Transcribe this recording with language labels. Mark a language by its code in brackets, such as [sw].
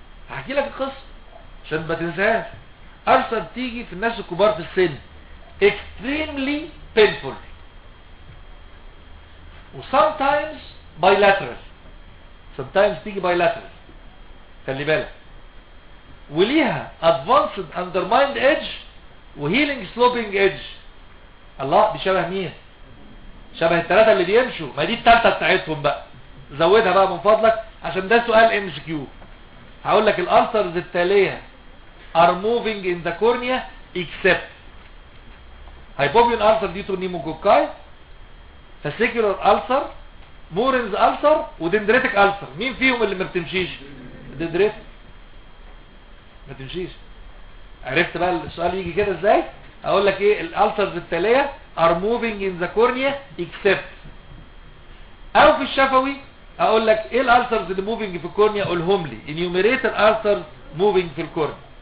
[ar] هحكي لك القصه عشان ما تنساهاش. ألسر بتيجي في الناس الكبار في السن [en] extremely painful [ar] و [en] sometimes bilateral. [ar] sometimes تيجي bilateral خلي بالك. وليها [en] advanced undermined edge [ar] و [en] healing sloping edge. [ar] الله بشبه مين؟ شبه الثلاثة اللي بيمشوا. ما دي الثالثة بتاعتهم بقى، زودها بقى من فضلك عشان ده سؤال MCQ. هقول لك الألسرز التالية [en] are moving in the cornea except hypobian ulcer due to pneumococci, fascicular ulcer, Mourin's ulcer ودندريتك ulcer. [ar] مين فيهم اللي ما بتمشيش؟ دندريت ما تمشيش. عرفت بقى السؤال يجي كده ازاي؟ اقول لك ايه الألسرز التالية [en] are moving in the cornea except. [ar] او في الشفوي اقول لك ايه الألسرز اللي moving في الكورنيا؟ قولهم لي enumerate الألسرز moving في الكورنيا.